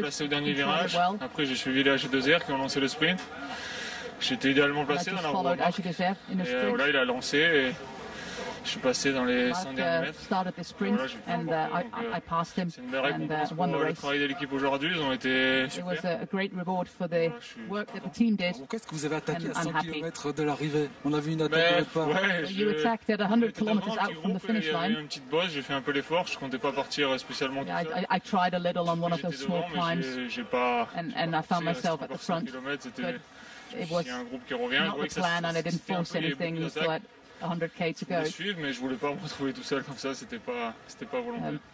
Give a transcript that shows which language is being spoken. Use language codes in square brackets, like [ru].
[fr] Placé au dernier virage. Well. Après, j'ai suivi les H2R qui ont lancé le sprint. J'étais idéalement placé dans la roue. Et voilà, il a lancé et je suis passé dans les 100 derniers mètres. [en] Started the sprint and I passed him. [fr] C'est une belle récompense pour le travail de l'équipe aujourd'hui. Ils ont été super. [en] It was a great reward for the work that the team did. [fr] Pourquoi est-ce que vous avez attaqué à 100 km de l'arrivée? On a vu une attaque de départ. [en] You attacked at 100 km out from the finish line. [fr] Il y a une petite bosse, j'ai fait un peu l'effort. Je ne comptais pas partir spécialement tout [en] seul. I tried a little on one of those small climbs. [fr] J'ai pas. [en] And I found myself at the front. It was not the plan and I didn't force anything. You thought 100k to go. [fr] Suivre, mais je voulais pas me retrouver tout seul comme ça, c'était pas volontaire.